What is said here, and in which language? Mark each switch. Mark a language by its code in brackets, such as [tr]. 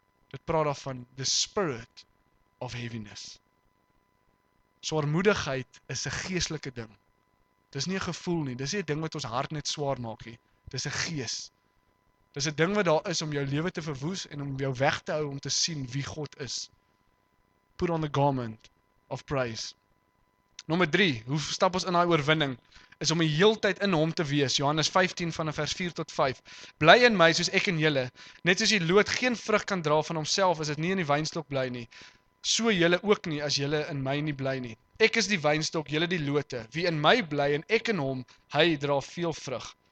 [af] Dit praat daarvan [en] the spirit of heaviness. [af] Swaarmoedigheid is 'n geestelike ding. Dis nie 'n gevoel nie, dis nie 'n ding wat ons hart net swaar maak nie. Dis 'n gees. Dis 'n ding wat daar is om jou lewe te verwoes en om jou weg te hou om te sien wie God is. [en] Put on the garment of praise. [af] Nommer 3, hoe stap ons in daai oorwinning? Is om die heeltyd in hom te wees. Johannes 15 van vers 4 tot 5. Bly in my soos ek in julle. Net soos die loot geen vrug kan dra van homself as dit nie in die wynstok bly nie, so julle ook nie as julle in my nie bly nie. Ek is die wynstok, julle die lote. Wie in my bly en ek in hom, hy dra veel vrug.